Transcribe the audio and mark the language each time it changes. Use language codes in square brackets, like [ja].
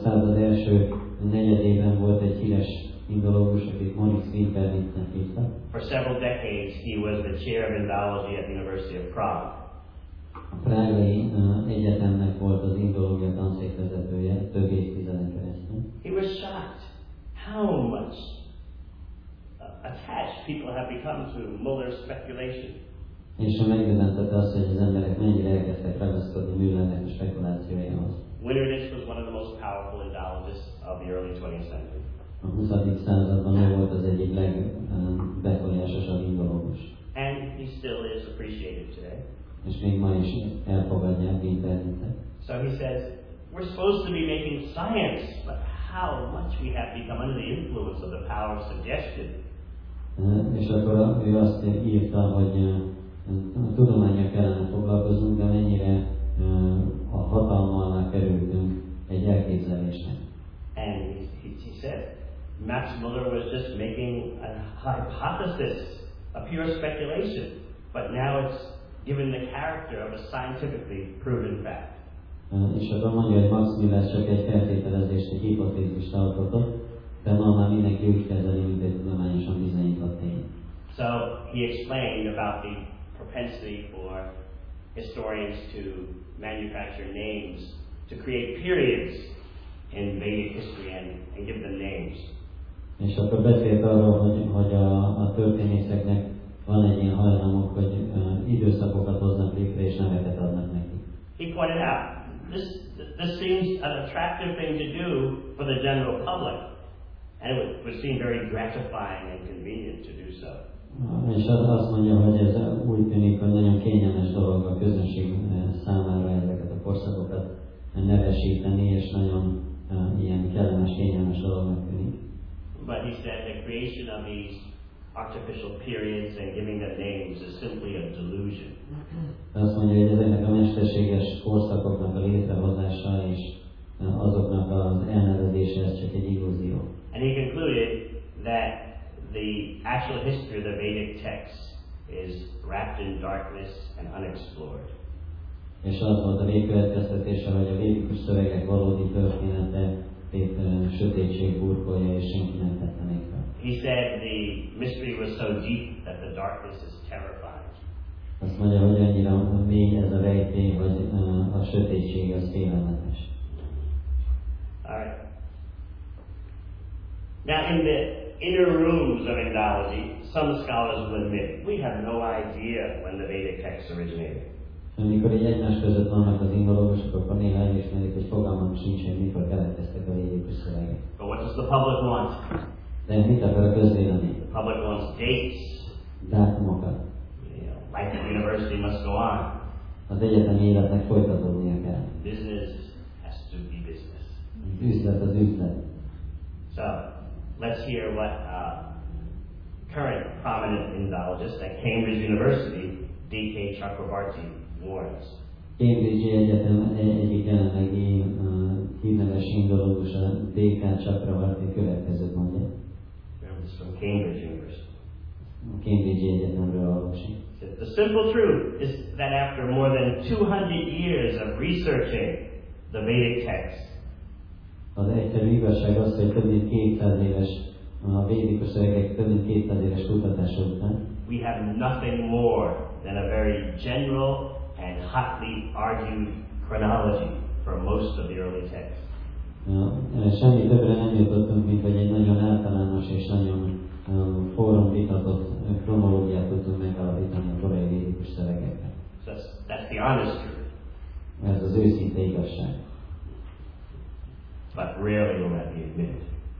[hu] század első negyedében volt egy híres indológus, akit Morris Winternitznek hívtak. [en] For several decades he was the chair of Indology at the University of Prague. [hu] A prágai egyetemnek volt az indológia tanszékvezetője több évtizeden keresztül. [en] He was shocked how much attached people have become to Müller's speculation. [hu] És a megjelentette azt, hogy az emberek mennyire elkezdtek ragaszkodni Müllernek a spekulációjához. [en] Winternitz was one of the most powerful indologists of the early 20th century. [hu] A 20. században ő volt az egyik legbefolyásosabb indológus. [en] And he still is appreciated today. [hu] És még ma is elfogadják Winternitzet. [en] So he says, we're supposed to be making science, but how much we have become under the influence of the power of suggestion. [hu] És akkor ő azt írta, hogy tudományra kellene foglalkozunk, de mennyire a hatalmalra kerültünk egy elképzelésnek. [en] And he said, Max Müller was just making a hypothesis, a pure speculation, but now it's given the character of a scientifically proven fact. [hu] És akkor mondja, hogy Max Müller csak egy feltételezést, egy hipotézist alkotott, de ma már mindenki úgy kezeli, mint egy tudományosan bizonyított tény. [en] So he explained about the propensity for historians to manufacture names to create periods in Vedic history and give them names. [hu] És akkor beszélt arról, hogy a történészeknek van egy ilyen hajlamuk, hogy időszakokat hoznak létre és neveket adnak neki. [en] He pointed out this seems an attractive thing to do for the general public, and it would seem very gratifying and convenient to do so. [hu] És azt mondja, hogy ez úgy tűnik, hogy nagyon kényelmes dolog a közönség számára ezeket a korszakokat nevesíteni, és nagyon ilyen kellemes, kényelmes dolognak tűnik. [en] But he said the creation of these artificial periods and giving them names is simply a delusion. [hu] Azt mondja, hogy ezeknek a mesterséges korszakoknak a létrehozása és azoknak az elnevezése ez csak egy illúzió. [en] And he concluded that the actual history of the Vedic texts is wrapped in darkness and unexplored. [hu] És az volt a végkövetkeztetése, hogy a védikus szövegek valódi története éppen sötétség burkolja, és senki nem tette még fel. [en] He said the mystery was so deep that the darkness is terrifying. [hu] Azt mondja, hogy annyira mély ez a rejtély, hogy a sötétség az félelmetes. [en] Now in the inner rooms of Indology, some scholars will admit we have no idea when the Vedic texts originated. [hu] Amikor egy egymás között vannak az indológusok, akkor néha elismerik, hogy fogalmam sincs, hogy mikor keletkeztek a védikus szövegek. [en] But what does the public want? [hu] De mit akar a közvélemény? [en] The public wants dates. [hu] Dátumokat. [en] Life at university must go on. [hu] Az egyetemi életnek folytatódnia kell. [en] Business has to be business. [hu] Üzlet az üzlet. [en] So, let's hear what current prominent Indologist at Cambridge University, D.K. Chakrabarty, warns. [hu] Cambridge Egyetem egyik jelenlegi hírneves indológusa, D.K. Chakrabarty következőt mondja. [en] It's from Cambridge University. [hu] Cambridge Egyetemről olvasik. [en] The simple truth is that after more than 200 years of researching the Vedic texts, [hu] az egyszerű igazság az, hogy több mint 200 éves a védikus szövegek több mint 200 éves kutatása után [en] we have nothing more than a very general and hotly argued chronology for most of the early texts. [hu] Semmi többre nem jutottunk, mint hogy egy nagyon általános és nagyon fórum vitatott kronológiát tudtunk megalapítani a korai védikus szövegekkel. [en] That's the honest truth. [hu] Ez az őszinte igazság. [en] But rarely will that be admitted.